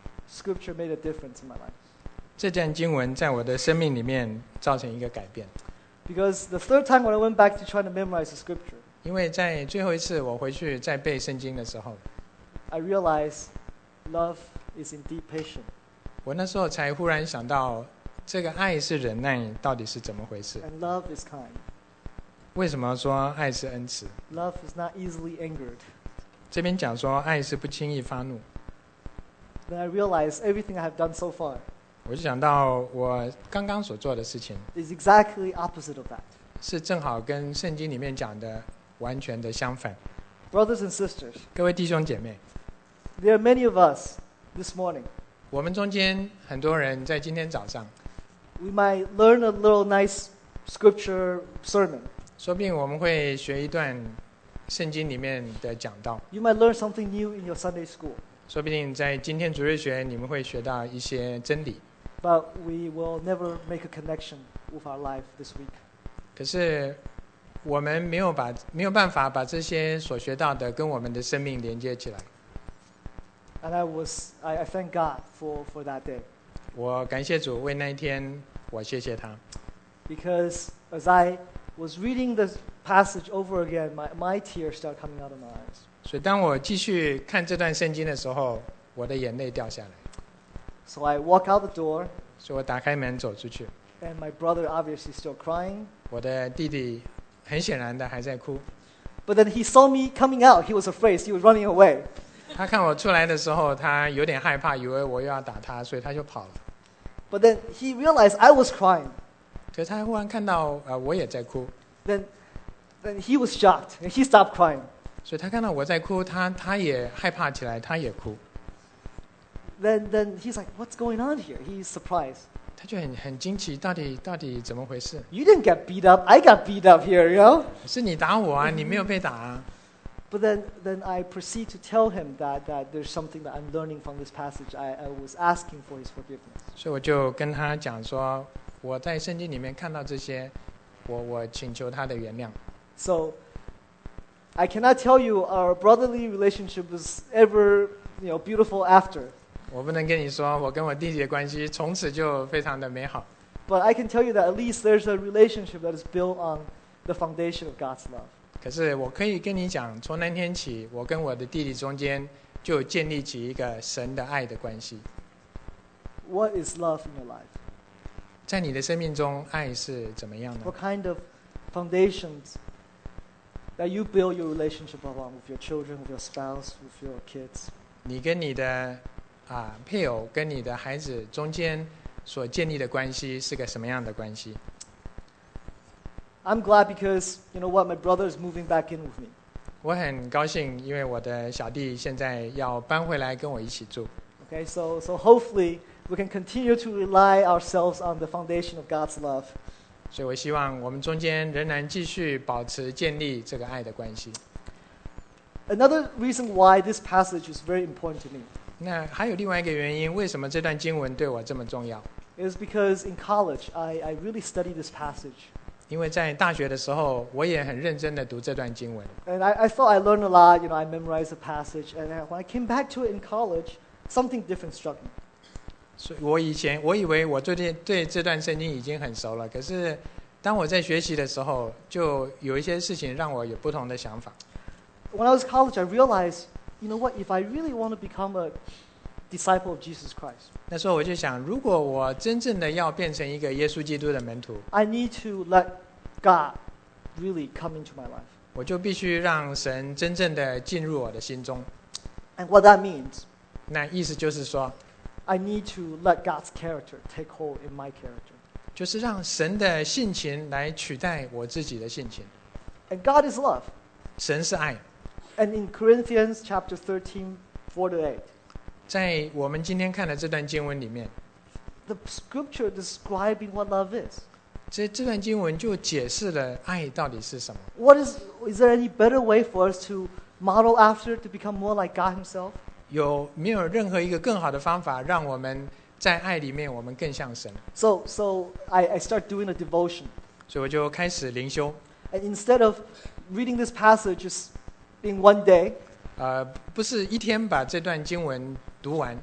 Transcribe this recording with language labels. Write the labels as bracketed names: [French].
[English] Scripture made a difference in my life. [Chinese] 这段经文在我的生命里面造成一个改变。 [English] Because the third time when I went back to try to memorize the scripture. [Chinese] 因为在最后一次我回去再背圣经的时候。 [English] I realized love is indeed patient. [Chinese] 我那时候才忽然想到这个爱是忍耐到底是怎么回事。 [English] And love is kind. [Chinese] 为什么说爱是恩慈？ [English] Love is not easily angered. [Chinese] 这边讲说爱是不轻易发怒。 [English] Then I realized everything I have done so far. [Chinese] 我就想到我刚刚所做的事情。 [English] Is exactly opposite of that. [Chinese] 是正好跟圣经里面讲的完全的相反。 [English] Brothers and sisters, [Chinese] 各位弟兄姐妹， [English] there are many of us this morning. [Chinese] 我们中间很多人在今天早上。 [English] We might learn a little nice scripture sermon. [Chinese] 说不定我们会学一段圣经里面的讲道。 [English] You might learn something new in your Sunday school. [Chinese] 说不定在今天主日学你们会学到一些真理。 [English] But we will never make a connection with our life this week. [Chinese] 可是我们没有办法把这些所学到的跟我们的生命连接起来。 [English] And I thank God for that day. [Chinese] 我感谢主为那一天，我谢谢他。 [English] Because as I was reading this passage over again, my tears started coming out of my eyes. [Chinese] 所以当我继续看这段圣经的时候，我的眼泪掉下来。 [English] So I walk out the door. [Chinese] 所以我打开门走出去。 [English] And my brother obviously still crying. [Chinese] 我的弟弟。很显然的还在哭。 [English] But then he saw me coming out. He was afraid. He was running away. [Chinese] 他看我出来的时候，他有点害怕，以为我又要打他，所以他就跑了。 [English] But then he realized I was crying. [Chinese] 可是他忽然看到我也在哭。 [English] Then he was shocked. And he stopped crying. [Chinese] 所以他看到我在哭，他也害怕起来，他也哭。 [English] Then he's like, "What's going on here?" He's surprised. [Chinese] 他就很惊奇，到底怎么回事 [English] ？You didn't get beat up, I got beat up here, you know. [Chinese] 是你打我啊，你没有被打啊。 [English] But then I proceed to tell him that there's something that I'm learning from this passage. I was asking for his forgiveness. [Chinese] 所以我就跟他讲说，我在圣经里面看到这些，我请求他的原谅。 [English] So I cannot tell you our brotherly relationship was ever, you know, beautiful after. [Chinese] 我不能跟你说我跟我弟弟的关系从此就非常的美好。 [English] But I can tell you that at least there's a relationship that is built on the foundation of God's love. [Chinese] 可是我可以跟你讲，从那天起，我跟我的弟弟中间就建立起一个神的爱的关系。 [English] What is love in your life? [Chinese] 在你的生命中，爱是怎么样的？ [English] What kind of foundations that you build your relationship upon with your children, with your spouse, with your kids? [Chinese] 你跟你的配偶跟你的孩子中间所建立的关系是个什么样的关系？ [English] I'm glad because you know what, my brother is moving back in with me. [Chinese] 我很高兴，因为我的小弟现在要搬回来跟我一起住。 [English] Okay, so hopefully we can continue to rely ourselves on the foundation of God's love. [Chinese] 所以我希望我们中间仍然继续保持建立这个爱的关系。 [English] Another reason why this passage is very important to me. [Chinese] 那还有另外一个原因，为什么这段经文对我这么重要？ [English] It's because in college, I really studied this passage. [Chinese] 因为在大学的时候，我也很认真地读这段经文。 [English] And I thought I learned a lot. You know, I memorized the passage, and when I came back to it in college, something different struck me. [Chinese] 所以我以为我对这段圣经已经很熟了，可是当我在学习的时候，就有一些事情让我有不同的想法。 [English] When I was in college, I realized, you know what, if I really want to become a disciple of Jesus Christ, [Chinese] 那时候我就想，如果我真正的要变成一个耶稣基督的门徒， [English] I need to let God really come into my life. [Chinese] 我就必须让神真正的进入我的心中。 [English] And what that means, [Chinese] 那意思就是说， [English] I need to let God's character take hold in my character. [Chinese] 就是让神的性情来取代我自己的性情。 [English] And God is love. [Chinese] 神是爱。 [English] And in Corinthians chapter 13:4-8, [Chinese] 在我们今天看的这段经文里面， [English] the scripture describing what love is. [Chinese] 这段经文就解释了爱到底是什么。 [English] Is there any better way for us to model after to become more like God himself? [Chinese] 有没有任何一个更好的方法让我们在爱里面我们更像神？ [English] So I start doing a devotion. [Chinese] 所以我就开始灵修。 [English] And instead of reading this passage just in one day, [Chinese] 不是一天把这段经文读完。